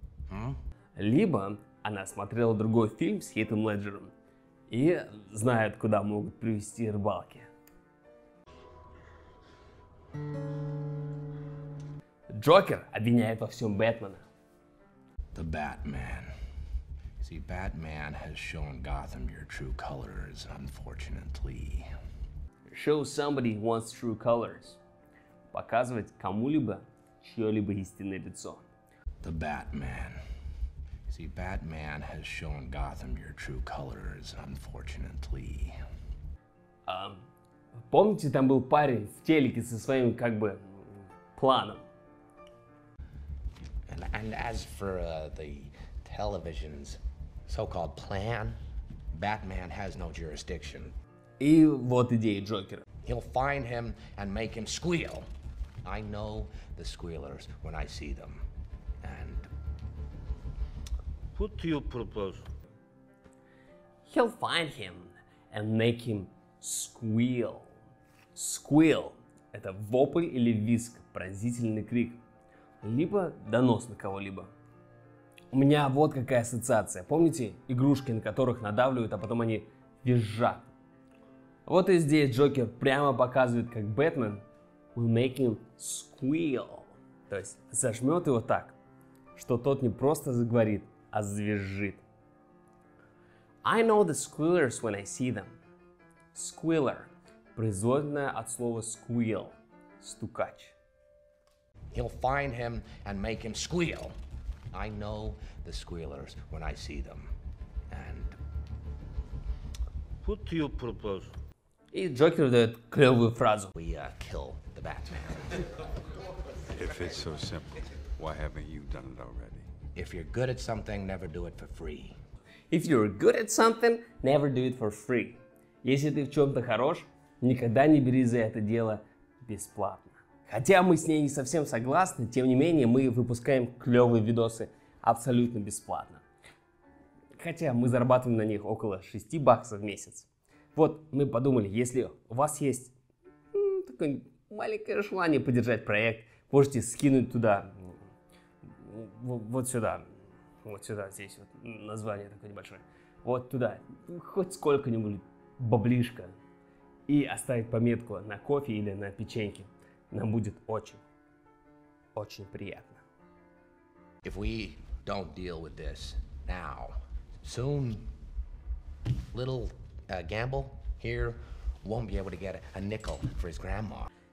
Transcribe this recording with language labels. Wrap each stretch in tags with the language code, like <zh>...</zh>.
<ru>Hmm? Либо она смотрела другой фильм с Хитом Леджером и знает, куда могут привести рыбалки. Джокер обвиняет во всем Бэтмена.</ru> <en>The Batman. See, Batman has shown Gotham your true colors, unfortunately. Show somebody one's true colors.</en> <ru>Показывать кому-либо чьё-либо истинное лицо.</ru> <en>The Batman. See, Batman has shown Gotham your true colors, unfortunately.</en> <ru>Помните, там был парень в телеке со своим, как бы, планом?</ru> <en>And as for the television's so-called plan, Batman has no jurisdiction.</en> <ru>И вот идея Джокера.</ru> <en>He'll find him and make him squeal. I know the squealers when I see them. And what do you propose? He'll find him and make him squeal.</en> <ru>Squeal – это вопль или визг, пронзительный крик, либо донос на кого-либо. У меня вот какая ассоциация. Помните игрушки, на которых надавливают, а потом они визжат? Вот и здесь Джокер прямо показывает, как Бэтмен</ru> <en>will make him squeal.</en> <ru>То есть зажмет его так, что тот не просто заговорит, а завизжит. I know the squealers when I see them. Squealer. Производное от слова squeal, стукач.</ru> <en>He'll find him and make him squeal. I know the squealers when I see them. And what do you propose?</en> <ru>И Джокер дает клевую фразу.</ru> <en>We kill the Batman. If it's so simple, why haven't you done it already? If you're good at something, never do it for free. If you're good at something, never do it for free.</en> <ru>Если ты в чем-то хорош, никогда не бери за это дело бесплатно. Хотя мы с ней не совсем согласны, тем не менее, мы выпускаем клевые видосы абсолютно бесплатно. Хотя мы зарабатываем на них около 6 баксов в месяц. Вот, мы подумали, если у вас есть такое маленькое желание поддержать проект, можете скинуть туда, вот сюда, здесь вот название такое небольшое, вот туда, хоть сколько-нибудь баблишко, и оставить пометку на кофе или на печеньке. Нам будет очень, очень приятно.</ru> <en>If we don't deal with this now, soon, little Gamble here won't be able to get a nickel for his grandma.</en>